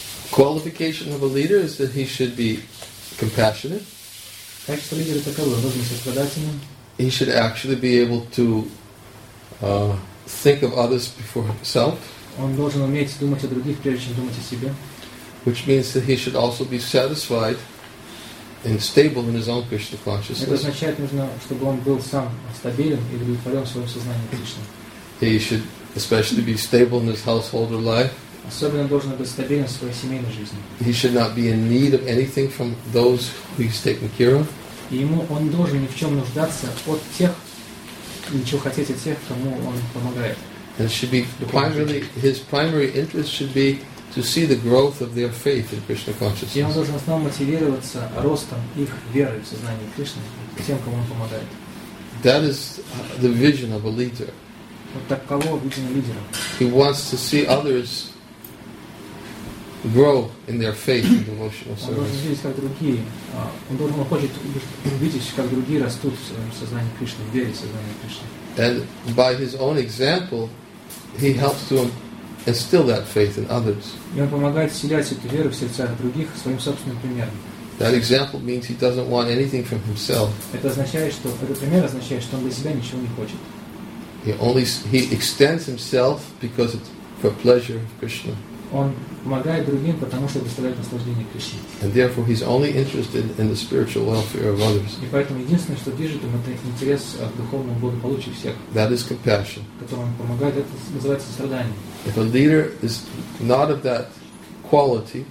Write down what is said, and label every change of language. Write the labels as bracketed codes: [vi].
[en] Qualification of a leader is that he should be compassionate. [ru] Качество лидера такое, он должен быть сострадательным. [en] He should actually be able to think of others before himself. [ru] Он должен уметь думать о других, прежде чем думать о себе. [en] Which means that he should also be satisfied and stable in his own Krishna consciousness. [ru] Это означает, нужно, чтобы он был сам стабилен и удовлетворен в своем сознании Кришны. [en] He should especially be stable in his household or life. [ru] Особенно должен быть стабилен в своей семейной жизни. [en] He should not be in need of anything from those who he's taking care of. [ru] И ему он должен ни в чем нуждаться от тех, ничего хотеть от тех, кому он помогает. [en] And should be primarily, his primary interest should be to see the growth of their faith in Krishna consciousness. [ru] И он должен основно мотивироваться ростом их веры в сознание Кришны, тем, кому он помогает. [en] That is the vision of a leader. [ru] Вот таково видение лидера. [en] He wants to see others grow in their faith in devotional service. [ru] Он должен видеть, как другие. Он должен хочет увидеть, как другие растут в своем сознании Кришны, в вере в сознание Кришны. [en] And by his own example, he helps to instill that faith in others. [ru] И он помогает вселять эту веру в сердцах других своим собственным примером. [en] That example means he doesn't want anything from himself. [ru] Это означает, что этот пример означает, что он для себя ничего не хочет. [en] He extends himself because it's for pleasure of Krishna. [ru] Он помогает другим, потому что доставляет наслаждение Кришне. [en] And therefore he's only interested in the spiritual welfare of others. [ru] И поэтому единственное, что движет им, это интерес к духовному благополучию всех. [en] That is compassion. [ru] Которому он помогает, это называется сострадание. [en] If a leader is not of that quality,